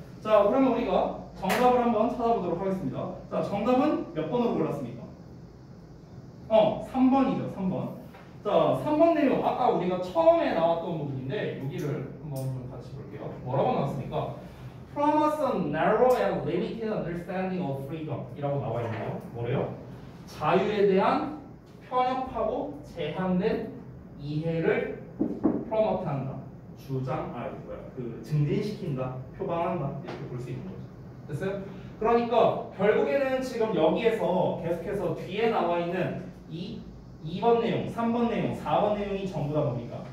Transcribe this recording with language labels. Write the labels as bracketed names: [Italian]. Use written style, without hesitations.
[Korean] 자, 그러면 우리가 정답을 한번 찾아보도록 하겠습니다. 자, 정답은 몇 번으로 골랐습니까? 3번이죠, 3번. 자, 3번 내용 아까 우리가 처음에 나왔던 부분인데 여기를 한번 좀 같이 볼게요. 뭐라고 나왔습니까? [English] Promise a narrow and limited understanding of freedom이라고 [Korean] 나와 있네요. 뭐래요? 자유에 대한 편협하고 제한된 이해를 promote한다. 주장, 아 뭐야, 그 증진시킨다, 표방한다 이렇게 볼 수 있는 거죠. 됐어요? 그러니까 결국에는 지금 여기에서 계속해서 뒤에 나와 있는 이 2번 내용, 3번 내용, 4번 내용이 전부 다 뭡니까?